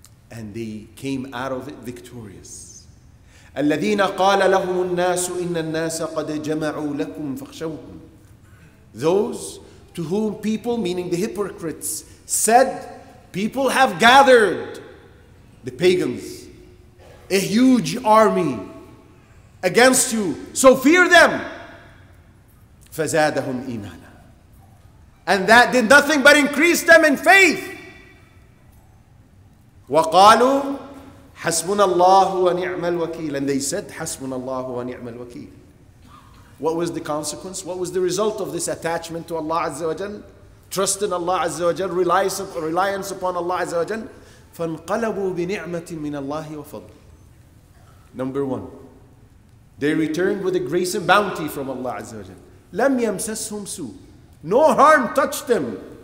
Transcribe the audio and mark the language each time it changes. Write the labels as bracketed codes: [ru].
[en] And they came out of it victorious. [ar] الَّذِينَ قَالَ لَهُمُ النَّاسُ إِنَّ النَّاسَ قَدْ جَمَعُوا لَكُمْ فَخْشَوْهُمْ [en] Those to whom people, meaning the hypocrites, said, people have gathered, the pagans, a huge army against you, so fear them. [ar] فَزَادَهُمْ إِيمَانًا [en] And that did nothing but increase them in faith. [ar] وَقَالُوا حَسْبُنَ اللَّهُ وَنِعْمَ الْوَكِيلُ [en] And they said, [ar] حَسْبُنَ اللَّهُ وَنِعْمَ الْوَكِيلُ [en] What was the consequence? What was the result of this attachment to Allah Azza wa Jal? Trust in Allah Azza wa Jal, reliance upon Allah Azza wa Jal. [ar] فَانْقَلَبُوا بِنِعْمَةٍ مِّنَ اللَّهِ وَفَضْلٍ [en] Number one, they returned with a grace and bounty from Allah Azza wa Jal. [ar] لَمْ يَمْسَسْهُمْ سُوءٍ [en] No harm touched them.